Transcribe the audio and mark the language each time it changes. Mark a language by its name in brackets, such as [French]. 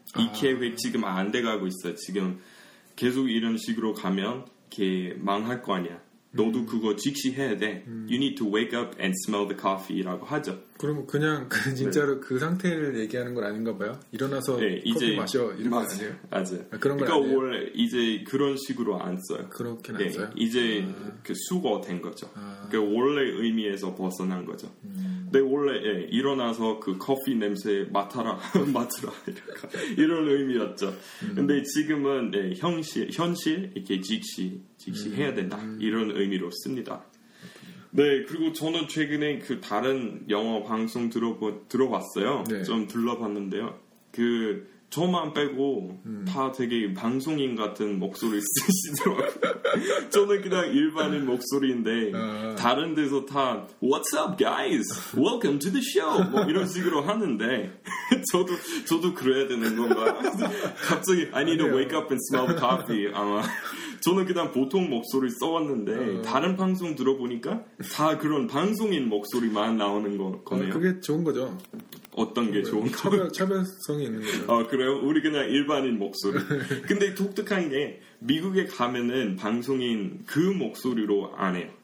[Korean] 이 계획 지금 안 돼가고 있어. 지금 계속 이런 식으로 가면 이렇게 망할 거 아니야. 너도 그거 직시해야 돼. [English] You need to wake up and smell the coffee [Korean] 라고 하죠. 그럼 그냥 진짜로 네. 그 상태를 얘기하는 건 아닌가 봐요? 일어나서 네, 커피 이제, 마셔 이런 맞아, 거 아니에요? 맞아요. 아, 그런 그러니까 거 아니에요? 원래 이제 그런 식으로 안 써요. 그렇게 네, 안 써요? 이제 아. 그 수거된 거죠. 아. 그 원래 의미에서 벗어난 거죠. 근데 원래 예, 일어나서 그 커피 냄새 맡아라, 맡으라 이런 의미였죠. 근데 지금은 예, 현실 이렇게 직시해야 된다 이런 의미로 씁니다. 네, 그리고 저는 최근에 그 다른 영어 방송 들어봤어요. 네. 좀 둘러봤는데요. 그 저만 빼고 다 되게 방송인 같은 목소리 쓰시더라고요. 저는 그냥 일반인 목소리인데 다른 데서 다 [English] What's up, guys? Welcome to the show! [Korean] 뭐 이런 식으로 하는데 저도 그래야 되는 건가? 갑자기 [English] I need to wake up and smell the coffee. [Korean] 아마 저는 그냥 보통 목소리 써왔는데 다른 방송 들어보니까 다 그런 방송인 목소리만 나오는 거네요. 그게 좋은 거죠. 어떤 게 좋은 거? 차별성이 있는 거죠. 그래요? 우리 그냥 일반인 목소리. 근데 독특한 게 미국에 가면은 방송인 그 목소리로 안 해요.